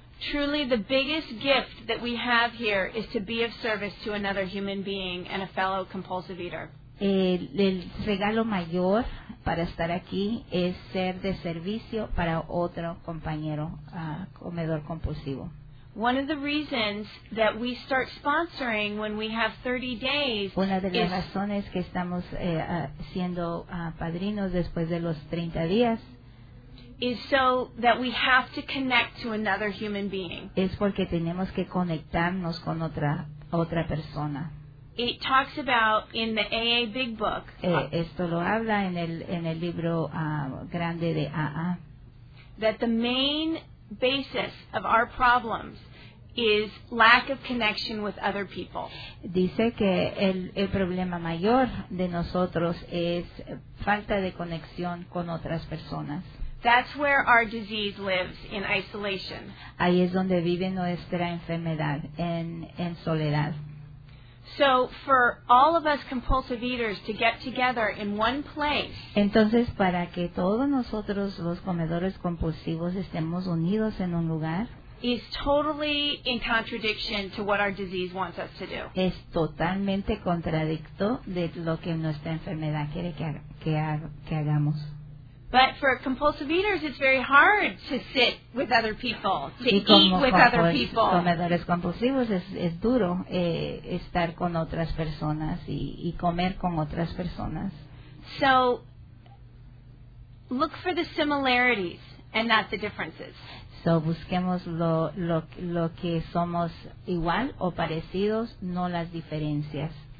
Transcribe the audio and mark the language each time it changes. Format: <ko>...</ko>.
<en>Truly the biggest gift that we have here is to be of service to another human being and a fellow compulsive eater.</en> <es>El regalo mayor para estar aquí es ser de servicio para otro compañero comedor compulsivo.</es> <en>One of the reasons that we start sponsoring when we have 30 days is...</en> <es>Una de las razones que estamos siendo padrinos después de los 30 días</es> <en>is so that we have to connect to another human being.</en> <es>Es porque tenemos que conectarnos con otra persona.</es> <en>It talks about in the AA Big Book.</en> <es>Esto lo habla en el libro grande de AA.</es> <en>That the main basis of our problems is lack of connection with other people.</en> <es>Dice que el problema mayor de nosotros es falta de conexión con otras personas.</es> <en>That's where our disease lives, in isolation.</en> <es>Ahí es donde vive nuestra enfermedad, en soledad.</es> <en>So for all of us compulsive eaters to get together in one place.</en> <es>Entonces, para que todos nosotros los comedores compulsivos estemos unidos en un lugar.</es> <en>Is totally in contradiction to what our disease wants us to do.</en> <es>Es totalmente contradicto de lo que nuestra enfermedad quiere que hagamos.</es> <en>But for compulsive eaters, it's very hard to sit with other people, to eat with other people.</en> <es>Y como comedores compulsivos, es duro estar con otras personas y comer con otras personas.</es> <en>So, look for the similarities and not the differences.</en> <es>So, busquemos lo que somos igual o parecidos, no las diferencias.</es>